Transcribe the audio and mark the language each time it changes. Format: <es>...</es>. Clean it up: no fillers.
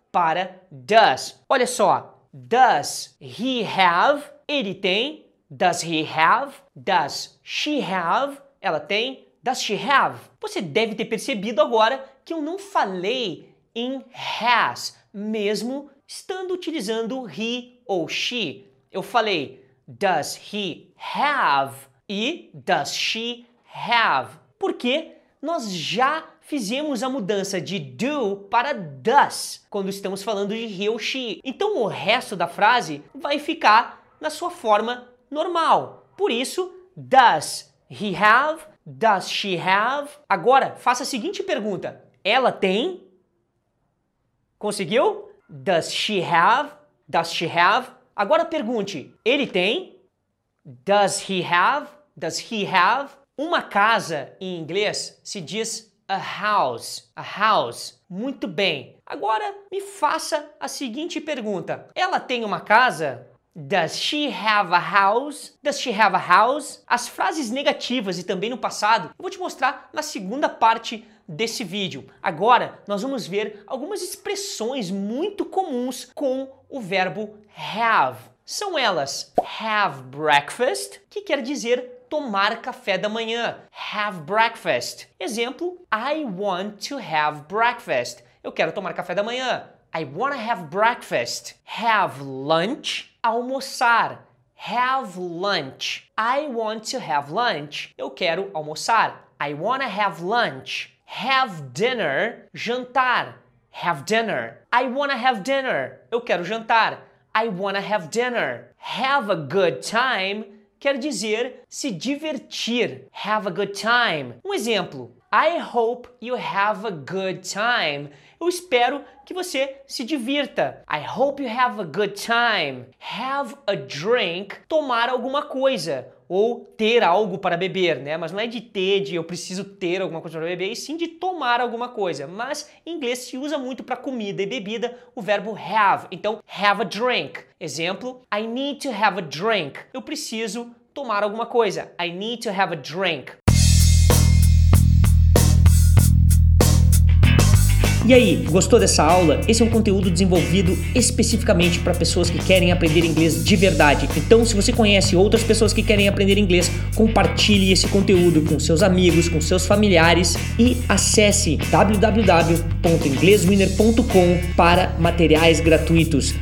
<pt>para does. Olha só.</pt> <en>Does he have?</en> <pt>Ele tem.</pt> <en>Does he have? Does she have?</en> <pt>Ela tem.</pt> <en>Does she have?</en> <pt>Você deve ter percebido agora que eu não falei em has, mesmo estando utilizando he ou she. Eu falei</pt> <en>does he have</en> <pt>e</pt> <en>does she have.</en> <pt>Porque nós já fizemos a mudança de do para does quando estamos falando de he ou she. Então o resto da frase vai ficar na sua forma normal. Por isso,</pt> <en>does he have? Does she have?</en> <pt>Agora, faça a seguinte pergunta. Ela tem? Conseguiu?</pt> <en>Does she have? Does she have?</en> <pt>Agora pergunte. Ele tem?</pt> <en>Does he have? Does he have?</en> <pt>Uma casa, em inglês, se diz</pt> <en>a house. A house.</en> <pt>Muito bem. Agora, me faça a seguinte pergunta. Ela tem uma casa?</pt> <en>Does she have a house? Does she have a house?</en> <pt>As frases negativas e também no passado, eu vou te mostrar na segunda parte desse vídeo. Agora, nós vamos ver algumas expressões muito comuns com o verbo have. São elas,</pt> <en>have breakfast,</en> <pt>que quer dizer tomar café da manhã.</pt> <en>Have breakfast. Exemplo, I want to have breakfast.</en> <pt>Eu quero tomar café da manhã.</pt> <en>I wanna have breakfast. Have lunch.</en> <pt>Almoçar.</pt> <en>Have lunch. I want to have lunch.</en> <pt>Eu quero almoçar.</pt> <en>I wanna have lunch. Have dinner.</en> <pt>Jantar.</pt> <en>Have dinner. I wanna have dinner.</en> <pt>Eu quero jantar.</pt> <en>I wanna have dinner. Have a good time.</en> <pt>Quer dizer, se divertir.</pt> <en>Have a good time.</en> <pt>Um exemplo.</pt> <en>I hope you have a good time.</en> <pt>Eu espero que você se divirta.</pt> <en>I hope you have a good time. Have a drink.</en> <pt>Tomar alguma coisa. Ou ter algo para beber, né? Mas não é de ter, de eu preciso ter alguma coisa para beber, e sim de tomar alguma coisa. Mas em inglês se usa muito para comida e bebida o verbo have.</pt> <en>Então, have a drink. Exemplo, I need to have a drink.</en> <pt>Eu preciso tomar alguma coisa.</pt> <en>I need to have a drink.</en> <pt>E aí, gostou dessa aula? Esse é um conteúdo desenvolvido especificamente para pessoas que querem aprender inglês de verdade. Então, se você conhece outras pessoas que querem aprender inglês, compartilhe esse conteúdo com seus amigos, com seus familiares e acesse www.ingleswinner.com para materiais gratuitos.</pt>